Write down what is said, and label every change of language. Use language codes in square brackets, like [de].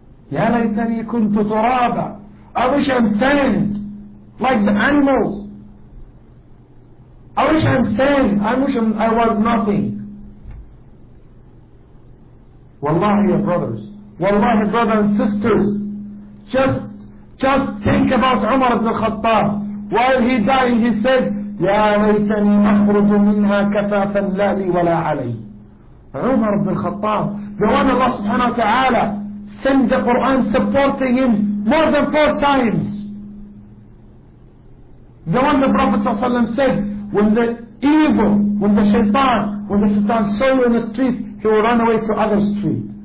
[ar] Ya laytani kuntu turaba. [en] I wish I'm sand, like the animals. I wish I'm sand. I wish I was nothing. Wallahi, brothers. Wallahi, brothers and sisters. Just think about Umar ibn Khattab. While he died, he said, [ar] يَا لَيْتَنِي أَخْرُجُ مِنْهَا كَفَافًا لَا لِي وَلَا عَلَيْهِ. [en] Umar ibn Khattab, the one Allah subhanahu wa ta'ala sent the Quran supporting him more than four times. The one the Prophet said, when the evil, with the shaitan, when the shaitan saw you in the street, he will run away to other street.